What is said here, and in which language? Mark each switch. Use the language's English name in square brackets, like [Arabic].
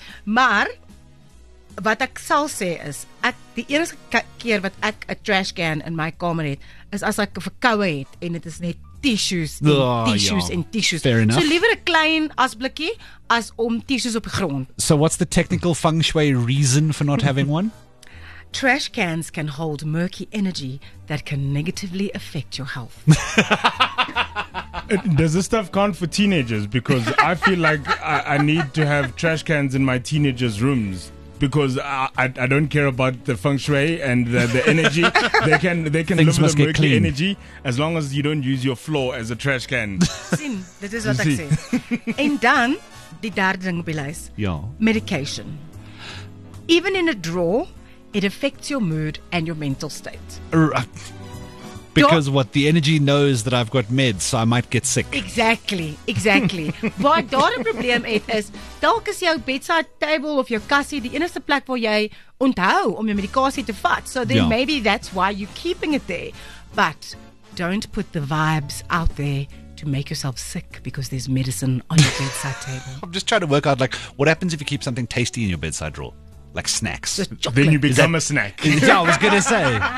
[Afrikaans] Maar wat ek sal sê is, ek die enigste keer wat ek 'n trash can in my kamer het, is as ek 'n verkoue het en dit is net tissues, tissues. [English] Fair enough. [Afrikaans] So liewer 'n klein asblikkie as om tissues op die grond. [English] So what's the technical feng shui reason for not having one? Trash cans can hold murky energy that can negatively affect your health. Does this stuff count for teenagers? Because I feel like I need to have trash cans in my teenagers' rooms. Because I don't care about the feng shui and the energy. They can things live with clean energy as long as you don't use your floor as a trash can. [Afrikaans] Sien, dit is wat ek sê. En dan, die derde ding op die lys. Ja. [English] Medication. Even in a drawer, it affects your mood and your mental state. Because what the energy knows that I've got meds, so I might get sick. Exactly. [Afrikaans] Waar daar 'n probleem het is, dalk is jou bedside table of jou kassie die enigste plek waar jy onthou om jou medikasie te vat. [English] So then maybe that's why you're keeping it there. But don't put the vibes out there to make yourself sick because there's medicine on your bedside table. I'm just trying to work out, like, what happens if you keep something tasty in your bedside drawer? Like snacks. The then you become a snack. Yeah, I was going to say.